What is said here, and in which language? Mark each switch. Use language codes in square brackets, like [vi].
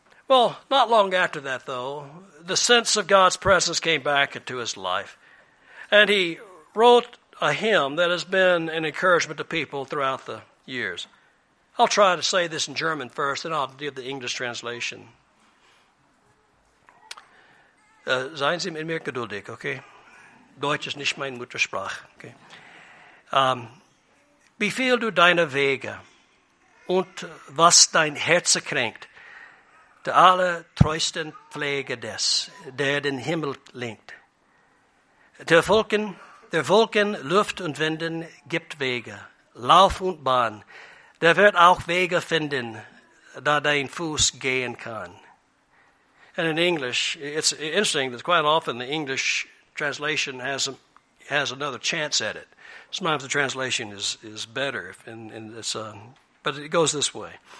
[en] Well, not long after that, though, the sense of God's presence came back into his life. And he wrote a hymn that has been an encouragement to people throughout the years. I'll try to say this in German first, then I'll give the English translation. [de] Seien Sie mit mir geduldig, okay? Deutsch ist nicht meine Muttersprache, okay? Wie viel du deine Wege und was dein Herz kränkt, der alle treusten Pflege des, der den Himmel lenkt. Der Wolken, Luft und Winden gibt Wege, Lauf und Bahn, der wird auch Wege finden, da dein Fuß gehen kann. [en] And in English, it's interesting that quite often the English translation has another chance at it. Sometimes the translation is better, and it's but it goes this way.